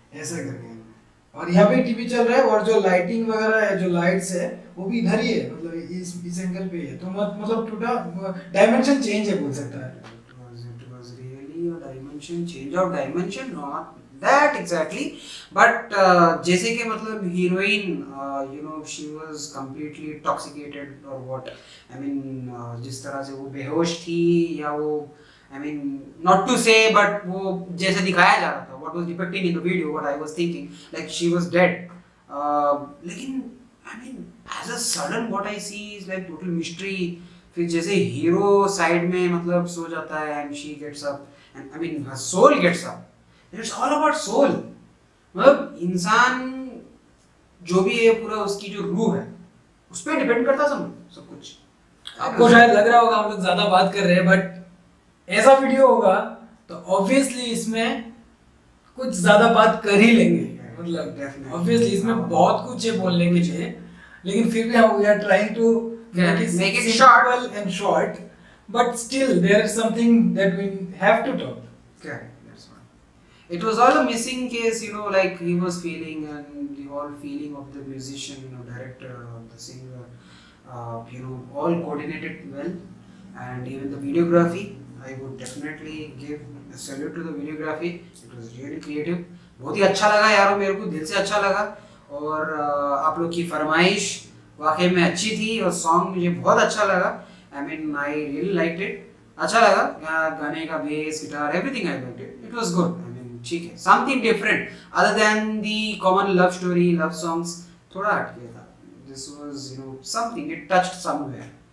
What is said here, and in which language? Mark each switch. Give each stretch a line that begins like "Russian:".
Hindi: और यहाँ पे टीवी चल रहा है और जो लाइटिंग वगैरह है जो लाइट्स है वो भी इधर ही है मतलब इस एंगल पे है तो मतलब टोटल डायमेंशन चेंज है बोल सकता है
English: That exactly, but
Hindi: जैसे कि मतलब
English: heroine you know she was completely intoxicated or what I mean
Hindi: जिस तरह से वो बेहोश थी या वो
English: I mean not to say but
Hindi: वो जैसे दिखाया जा रहा था
English: what was depicted in the video what I was thinking like she was dead
Hindi: लेकिन
English: I mean as a sudden what I see is like total mystery
Hindi: फिर जैसे
English: hero side
Hindi: में मतलब सो जाता है
English: and she gets up and I mean her soul gets up it's all about soul
Hindi: मतलब इंसान जो भी है पूरा उसकी जो रूह है उस पर डिपेंड करता है सब कुछ आपको शायद लग रहा होगा हम लोग ज्यादा बात कर रहे हैं
English: but
Hindi: ऐसा वीडियो होगा तो ऑब्वियसली इसमें कुछ ज्यादा बात कर ही लेंगे मतलब ऑब्वियसली इसमें बहुत कुछ है बोलने के लिए लेकिन फिर भी
English: We are trying to make it short and short but still there is something that we have to talk It was all a missing case, you know, like he was feeling and the whole feeling of the musician, you know, director or the singer, you know, all coordinated well and even the videography, I would definitely give a salute to the videography, it was really creative.
Hindi: बहुत ही अच्छा लगा यारों मेरे को दिल से अच्छा लगा और आप लोग की फरमाइश वाकई में अच्छी थी और सॉन्ग मुझे बहुत अच्छा लगा
English: I mean I really liked it
Hindi: अच्छा लगा गाने का bass guitar
English: everything I liked it it was good
Hindi: ठीक है
English: something different other than the common love story love songs
Hindi: थोड़ा हट गया था
English: this was you know something it touched somewhere